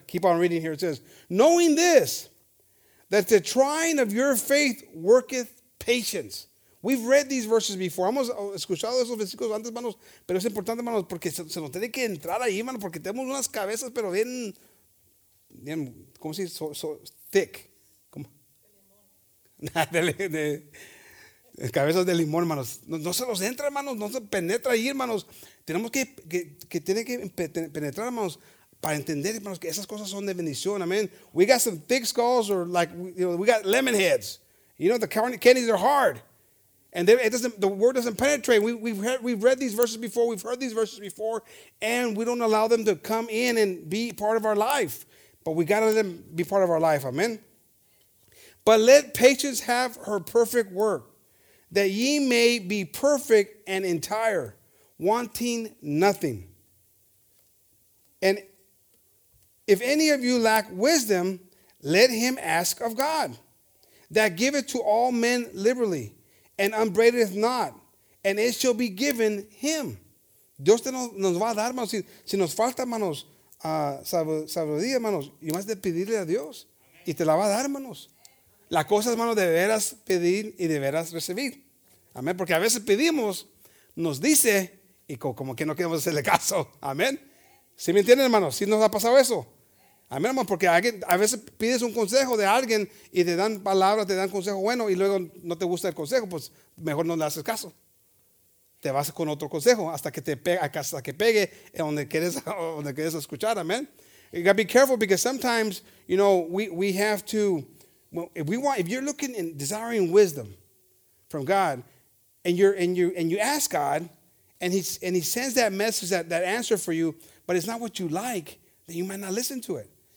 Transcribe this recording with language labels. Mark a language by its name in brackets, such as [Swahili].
[English] Keep on reading here. It says, knowing this, that the trying of your faith worketh patience. We've read these verses before. [Spanish] Hemos escuchado esos versículos antes, hermanos. Pero es importante, hermanos, porque se nos tiene que entrar ahí, hermanos, porque tenemos unas cabezas, pero bien, ¿cómo se dice? [English] So thick. [Spanish] ¿Cómo? Cabezas de limón, hermanos. No se nos entra, hermanos. No se penetra ahí, hermanos. Tenemos que tiene que penetrar, hermanos, para entender, hermanos, que esas cosas son de bendición. [English] Amen. We got some thick skulls, or like, you know, we got lemon heads. You know, the candies are hard. And the word doesn't penetrate. We've read these verses before. We've heard these verses before. And we don't allow them to come in and be part of our life. But we got to let them be part of our life. Amen. But let patience have her perfect work, that ye may be perfect and entire, wanting nothing. And if any of you lack wisdom, let him ask of God, that giveth to all men liberally, and unbraideth not, and it shall be given him. [Spanish] Dios nos va a dar, hermanos. Si nos falta, hermanos, sabiduría, hermanos, y más de pedirle a Dios, y te la va a dar, hermanos. La cosa, hermanos, deberás pedir y deberás recibir. Amén. Porque a veces pedimos, nos dice, y como que no queremos hacerle caso. Amén. ¿Sí me entienden, hermanos? ¿Sí nos ha pasado eso? Amén, hermanos, porque a veces pides un consejo de alguien y te dan palabras, te dan consejo bueno, y luego no te gusta el consejo, pues mejor no le haces caso. Te vas con otro consejo hasta que te pegue, hasta que pegue en donde quieres escuchar. Amén. [English] You got to be careful because sometimes, you know, we have to, well, if we want, if you're looking and desiring wisdom from God, and you ask God, and he sends that message, that answer for you, but it's not what you like, then you might not listen to it.